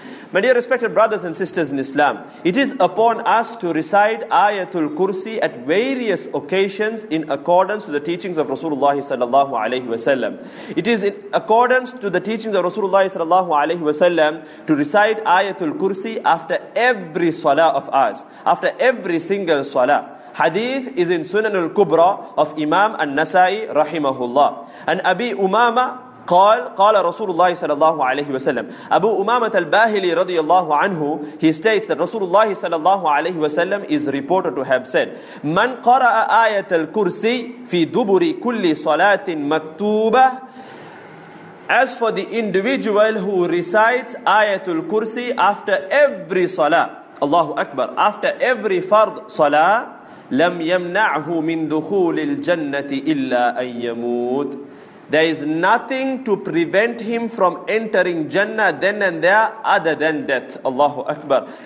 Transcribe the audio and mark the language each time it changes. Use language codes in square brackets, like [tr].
[en] My dear respected brothers and sisters in Islam, it is upon us to recite Ayatul Kursi at various occasions in accordance to the teachings of Rasulullah sallallahu alayhi wa sallam. It is in accordance to the teachings of Rasulullah sallallahu alayhi wa sallam to recite Ayatul Kursi after every salah of ours, after every single salah. Hadith is in Sunan al-Kubra of Imam al-Nasai rahimahullah. And Abi Umama, [ar] قال رسول الله صلى الله عليه وسلم أبو أمامة الباهلي رضي الله عنه, [en] he states that [ar] رسول الله صلى الله عليه وسلم [en] is reported to have said, [ar] من قرأ آية الكرسي في دبر كل صلاة مكتوبة. [en] As for the individual who recites آية الكرسي after every salah, Allahu Akbar, after every fard salah, [ar] لم يمنعه من دخول الجنة إلا أن يموت. [en] There is nothing to prevent him from entering Jannah then and there other than death. Allahu Akbar.